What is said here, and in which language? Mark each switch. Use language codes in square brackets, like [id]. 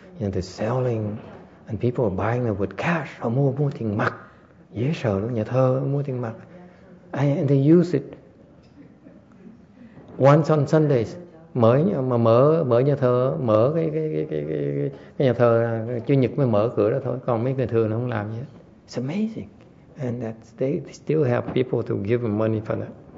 [en] You know, they're selling and people are buying them with cash. [vi] Họ mua tiền mặt. Dễ sợ lắm, nhà thơ mua tiền mặt. [en] And they use it once on Sundays. [vi] Mở nhà thờ, mở cái nhà thờ Chủ nhật mới mở cửa đó thôi, còn mấy người thường nó không làm gì hết. [en] It's amazing. And that they still have people to give them money for that.